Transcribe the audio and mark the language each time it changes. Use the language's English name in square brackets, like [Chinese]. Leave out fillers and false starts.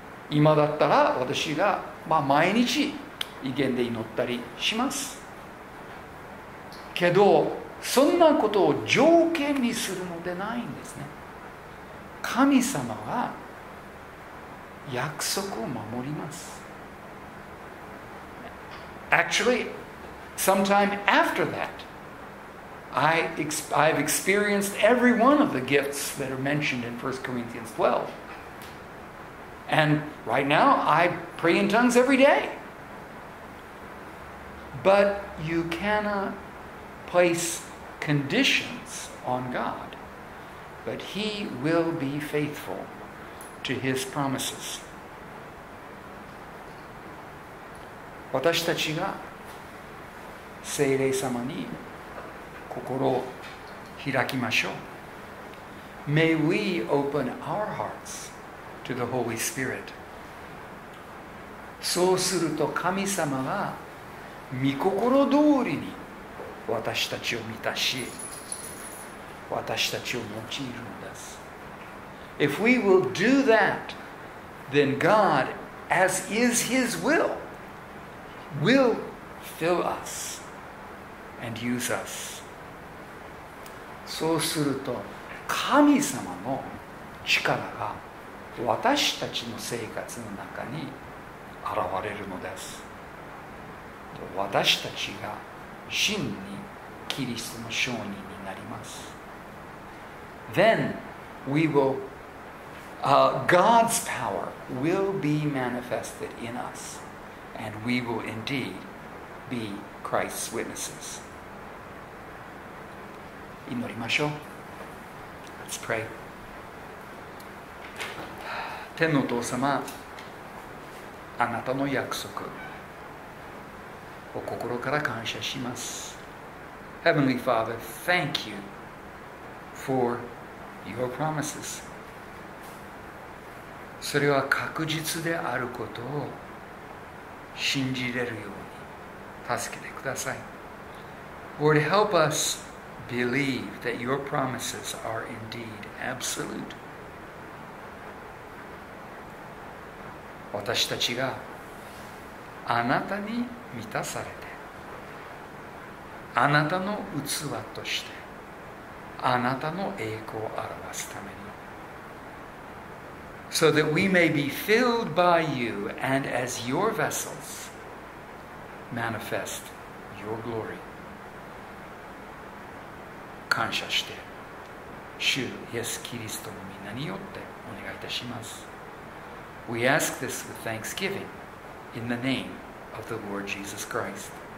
[Japanese] 今だったら私が、まあ、毎日異言で祈ったりしますけど、そんなことを条件にするのでないんですね。神様は約束を守ります。 [English] Actually, sometime after that, I've experienced every one of the gifts that are mentioned in 1 Corinthians 12. And right now, I pray in tongues every day. But you cannot place conditions on God. But he will be faithful to his promises. [Japanese] 私たちが聖霊様に心を開きましょう。 [English] May we open our hearts to the Holy Spirit. [Japanese] そうすると神様が御心通りに私たちを満たし、私たちを用いるのです。 [English] If we will do that, then God, as is His will, will fill us and use us. [Japanese] そうすると、神様の力が私たちの生活の中に現れるのです。私たちが真にキリストの証人になります。 [English] Then we will, God's power will be manifested in us, and we will indeed be Christ's witnesses. [Japanese] 祈りましょう。 [English] Let's pray. [Japanese] 天のお父様、あなたの約束を心から感謝します。 [English] Heavenly Father, thank you for. Your promises. [Japanese] それは確実であることを信じれるように助けてください。 [English] Lord, help us believe that your promises are indeed absolute. [Japanese] 私たちがあなたに満たされて、あなたの器として、あなたの栄光を表すために。 [English] So that we may be filled by you and as your vessels manifest your glory. [Japanese] 感謝して、主イエス・キリストの名によってお願いいたします。 [English] We ask this with thanksgiving in the name of the Lord Jesus Christ.